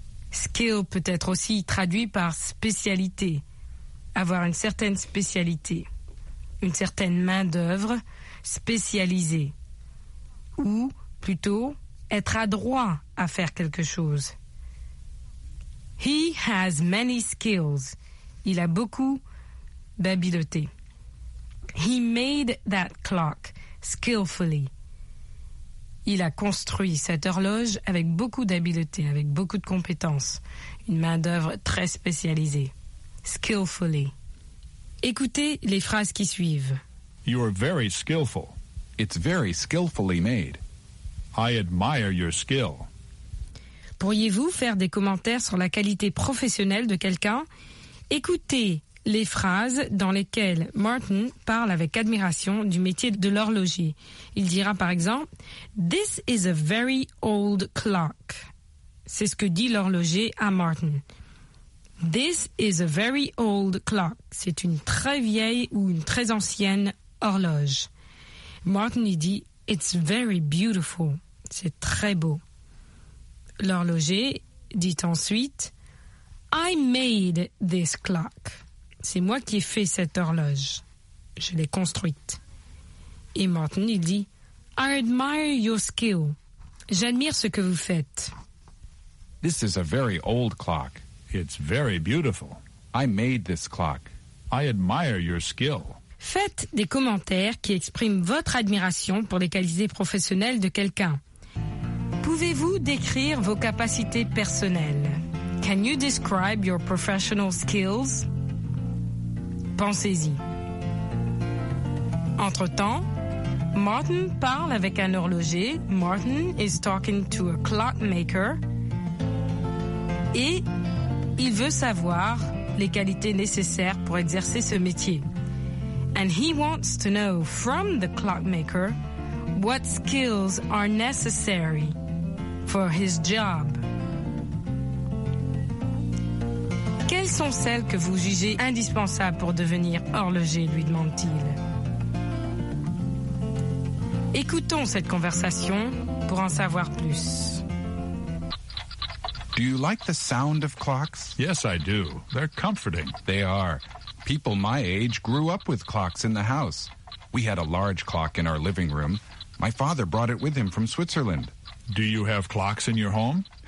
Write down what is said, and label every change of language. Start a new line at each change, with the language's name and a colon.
French: Skill peut être aussi traduit par spécialité, avoir une certaine spécialité, une certaine main-d'œuvre spécialisée, ou plutôt être adroit à faire quelque chose.
English: He has many skills.
French: Il a beaucoup d'habileté.
English: He made that clock skillfully.
French: Il a construit cette horloge avec beaucoup d'habileté, avec beaucoup de compétences. Une main-d'œuvre très spécialisée. Skillfully. Écoutez les phrases qui suivent.
English: You are very skillful. It's very skillfully made. I admire your skill.
French: Pourriez-vous faire des commentaires sur la qualité professionnelle de quelqu'un? Écoutez les phrases dans lesquelles Martin parle avec admiration du métier de l'horloger. Il dira par exemple «
English: This is a very old clock
French: ». C'est ce que dit l'horloger à Martin.
English: This is a very old clock.
French: C'est une très vieille ou une très ancienne horloge. Martin dit,
English: it's very beautiful.
French: C'est très beau. L'horloger dit ensuite,
English: I made this clock.
French: C'est moi qui ai fait cette horloge. Je l'ai construite. Et Martin dit,
English: I admire your skill.
French: J'admire ce que vous faites.
English: This is a very old clock. It's very beautiful. I made this clock. I admire your skill.
French: Faites des commentaires qui expriment votre admiration pour les qualités professionnelles de quelqu'un. Pouvez-vous décrire vos capacités personnelles?
English: Can you describe your professional skills?
French: Pensez-y. Entre-temps, Martin parle avec un horloger.
English: Martin is talking to a clockmaker.
French: Et il veut savoir les qualités nécessaires pour exercer ce métier.
English: And he wants to know from the clockmaker what skills are necessary for his job.
French: Quelles sont celles que vous jugez indispensables pour devenir horloger, lui demande-t-il. Écoutons cette conversation pour en savoir plus.
English: Do you like the sound of clocks? Yes, I do. They're comforting. They are. People my age grew up with clocks in the house. We had a large clock in our living room. My father brought it with him from Switzerland. Do you have clocks in your home?